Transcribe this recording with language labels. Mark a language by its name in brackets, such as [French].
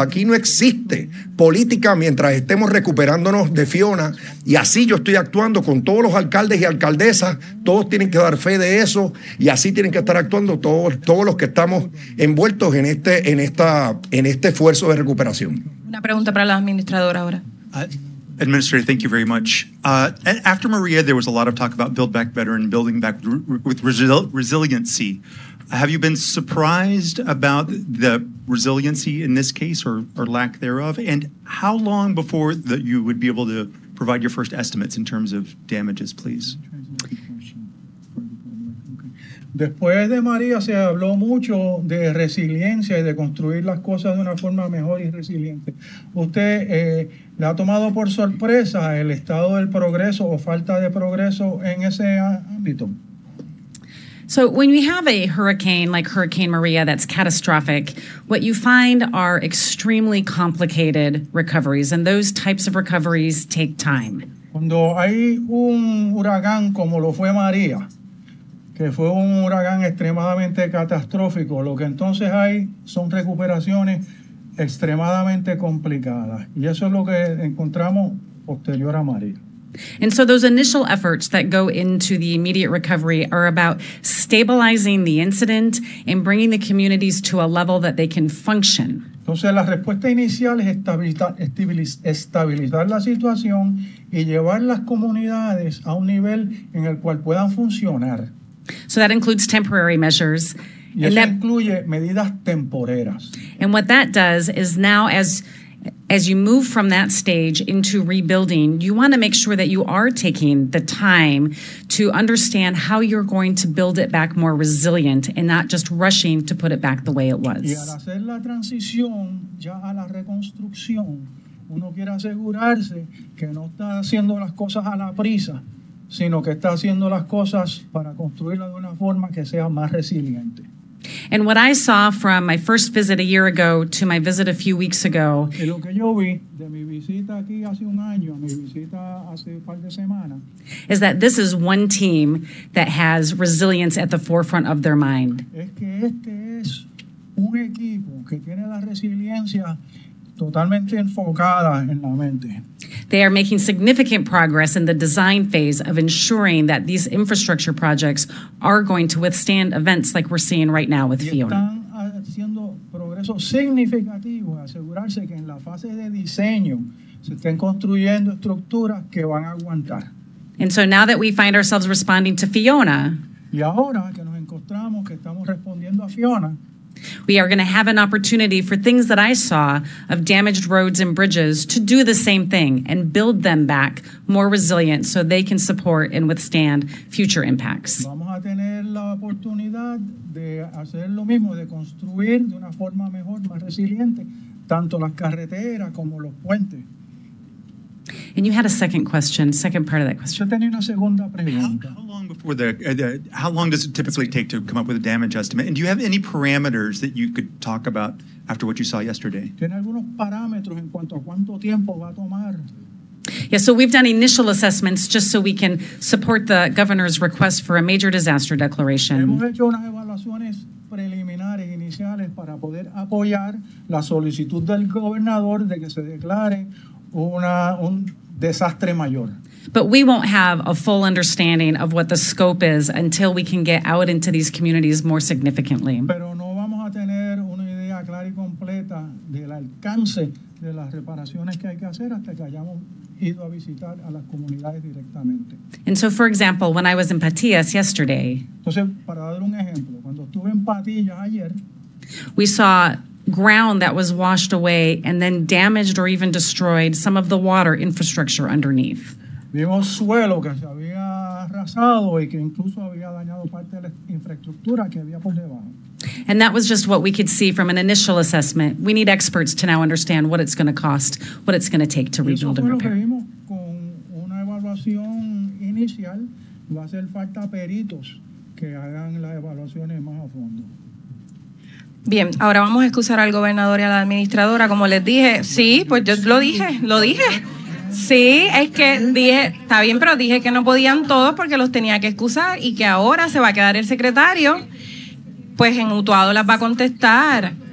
[Spanish] Aquí no existe política mientras estemos recuperándonos de Fiona. Y así yo estoy actuando con todos los alcaldes y alcaldesas. Todos tienen que dar fe de eso. Y así tienen que estar actuando todos los que estamos envueltos en este esfuerzo de recuperación. Una pregunta para la administradora ahora. [English] Administrator, thank you very much. After Maria, there was a lot of talk about Build Back Better and building back with resiliency. Have you been surprised about the resiliency in this case or lack thereof? And how long before that you would be able to provide your first estimates in terms of damages, please? [Spanish] Después de María se habló mucho de resiliencia y de construir las cosas de una forma mejor y resiliente. Usted le ha tomado por sorpresa el estado del progreso o falta de progreso en ese ámbito. [English] So when you have a hurricane like Hurricane Maria that's catastrophic, what you find are extremely complicated recoveries, and those types of recoveries take time. [Spanish] Cuando hay un huracán como lo fue María, que fue un huracán extremadamente catastrófico, lo que entonces hay son recuperaciones extremadamente complicadas. Y eso es lo que encontramos posterior a María. [English] And so those initial efforts that go into the immediate recovery are about stabilizing the incident and bringing the communities to a level that they can function. [Spanish] Entonces, la respuesta inicial es estabilizar la situación y llevar las comunidades a un nivel en el cual puedan funcionar. [English] So that includes temporary measures. [Spanish] Y eso incluye medidas temporeras. [English] And what that does is now as you move from that stage into rebuilding, you want to make sure that you are taking the time to understand how you're going to build it back more resilient and not just rushing to put it back the way it was. [Spanish] Y al hacer la transición ya a la reconstrucción, uno quiere asegurarse que no está haciendo las cosas a la prisa, sino que está haciendo las cosas para construirla de una forma que sea más resiliente. [English] And what I saw from my first visit a year ago to my visit a few weeks ago, is that this is one team that has resilience at the forefront of their mind. [Spanish] Es que este es un equipo que tiene la resiliencia totalmente enfocada en la mente. [English] They are making significant progress in the design phase of ensuring that these infrastructure projects are going to withstand events like we're seeing right now with Fiona. [Spanish] Y están haciendo progreso significativo en asegurarse que en la fase de diseño se estén construyendo estructuras que van a aguantar. [English] And so now that we find ourselves responding to Fiona, [Spanish] y ahora que nos encontramos que estamos respondiendo a Fiona, [English] we are going to have an opportunity for things that I saw of damaged roads and bridges to do the same thing and build them back more resilient so they can support and withstand future impacts. [Spanish] Vamos a tener la oportunidad de hacer lo mismo, de construir de una forma mejor, más resiliente, tanto las carreteras como los puentes. [English] And you had a second question, second part of that question. [Spanish] Yo tenía una segunda pregunta. [English] How long does it typically take to come up with a damage estimate? And do you have any parameters that you could talk about after what you saw yesterday? [Spanish] ¿Tiene algunos parámetros en cuanto a cuánto tiempo va a tomar? [English] Yeah, so we've done initial assessments just so we can support the governor's request for a major disaster declaration. [Spanish] Hemos hecho unas evaluaciones preliminares iniciales para poder apoyar la solicitud del gobernador de que se declare un desastre mayor. [English] But we won't have a full understanding of what the scope is until we can get out into these communities more significantly. [Spanish] Pero no vamos a tener una idea clara y completa del alcance de las reparaciones que hay que hacer hasta que hayamos ido a visitar a las comunidades directamente. [English] And so, for example, when I was in Patillas yesterday, [Spanish] entonces, para dar un ejemplo, cuando estuve en Patillas ayer, [English] we saw ground that was washed away and then damaged or even destroyed some of the water infrastructure underneath. [Spanish] Vimos suelo que se había arrasado y que incluso había dañado parte de la infraestructura que había por debajo. [English] And that was just what we could see from an initial assessment. We need experts to now understand what it's going to cost, what it's going to take to rebuild and repair. [Spanish] Eso fue lo que vimos con una evaluación inicial. Va a hacer falta peritos que hagan las evaluaciones más a fondo. Bien, ahora vamos a excusar al gobernador y a la administradora. Como les dije, sí, pues yo lo dije. Sí, es que dije, está bien, pero dije que no podían todos porque los tenía que excusar y que ahora se va a quedar el secretario, pues en Utuado las va a contestar.